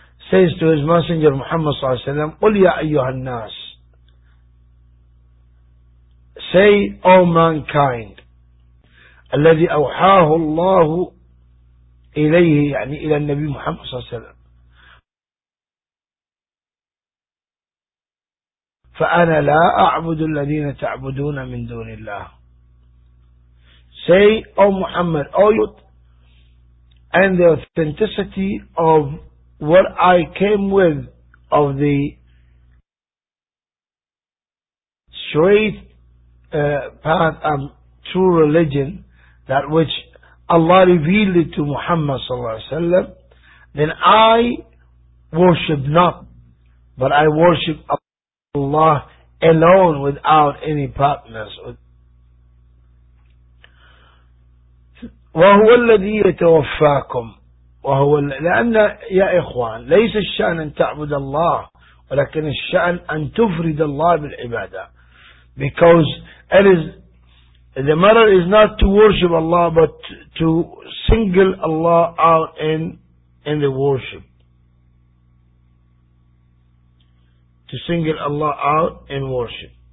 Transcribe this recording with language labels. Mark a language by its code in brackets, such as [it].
[en] says to his messenger Muhammad [ar] صلى الله عليه وسلم, قل يا أيها الناس, [en] say, O mankind, [ar] الذي أوحاه الله إليه, يعني إلى النبي محمد صلى الله عليه وسلم, فأنا لا أعبد الذين تعبدون من دون الله. [en] Say, O Muhammad, O youth, and the authenticity of what I came with of the straight path and true religion, that which Allah revealed it to Muhammad sallallahu alaihi wasallam, then I worship not, but I worship Allah alone without any partners. [ar] وَهُوَ الَّذِي يَتَوَفَّاكُمْ. وهو لأن يا إخوان ليس الشأن أن تعبد الله ولكن الشأن أن تفرد الله بالعبادة. [en] because that is, the matter is not to worship Allah, but to single Allah out in the worship. To single Allah out in worship.